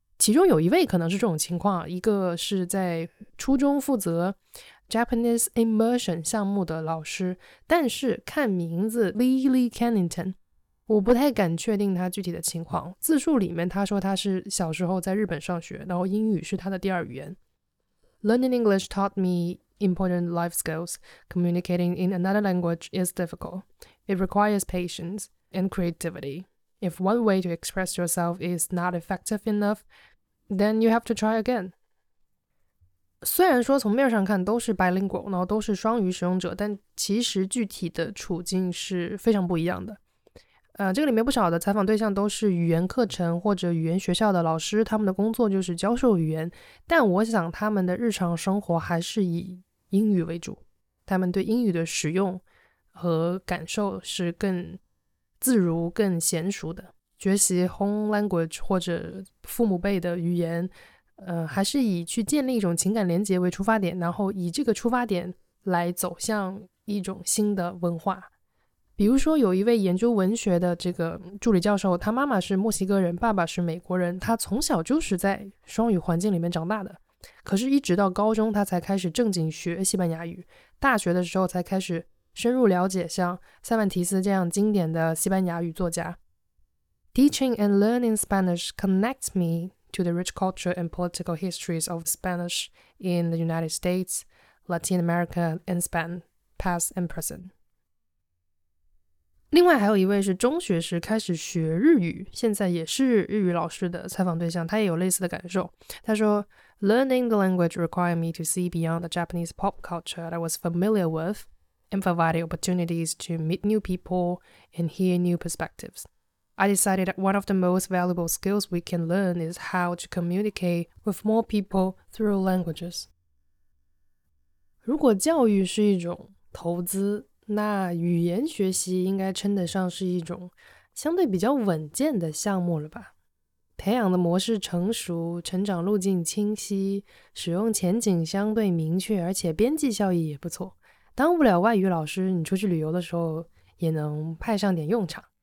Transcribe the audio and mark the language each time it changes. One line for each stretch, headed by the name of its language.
Chinese: 其中有一位可能是这种情况，一个是在初中负责 Japanese Immersion 项目的老师，但是看名字 Lily Kennington， 我不太敢确定他具体的情况。自述里面他说他是小时候在日本上学，然后英语是他的第二语言。
English: Learning English taught meimportant life skills. Communicating in another language is difficult. It requires patience and creativity. If one way to express yourself is not effective enough, then you have to try again.
Chinese: 虽然说从面上看都是 bilingual， 然后都是双语使用者，但其实具体的处境是非常不一样的。这个里面不少的采访对象都是语言课程或者语言学校的老师，他们的工作就是教授语言，但我想他们的日常生活还是以英语为主，他们对英语的使用和感受是更自如更娴熟的。学习 home language 或者父母辈的语言，还是以去建立一种情感连结为出发点，然后以这个出发点来走向一种新的文化。比如说有一位研究文学的这个助理教授，他妈妈是墨西哥人，爸爸是美国人，他从小就是在双语环境里面长大的，可是一直到高中他才开始正经学西班牙语，大学的时候才开始深入了解像塞万提斯这样经典的西班牙语作家。
English: Teaching and learning Spanish connects me to the rich culture and political histories of Spanish in the United States, Latin America and Spain, past and present.
Chinese: 另外还有一位是中学时开始学日语，现在也是日语老师的采访对象，他也有类似的感受。他说
English: Learning the language required me to see beyond the Japanese pop culture that I was familiar with and provided opportunities to meet new people and hear new perspectives. I decided that one of the most valuable skills we can learn is how to communicate with more people through languages.
Chinese: 如果教育是一种投资，那语言学习应该称得上是一种相对比较稳健的项目了吧。培养的模式成熟，成长路径清晰，使用前景相对明确，而且边际效益也不错，当不了外语老师，你出去旅游的时候也能派上点用场。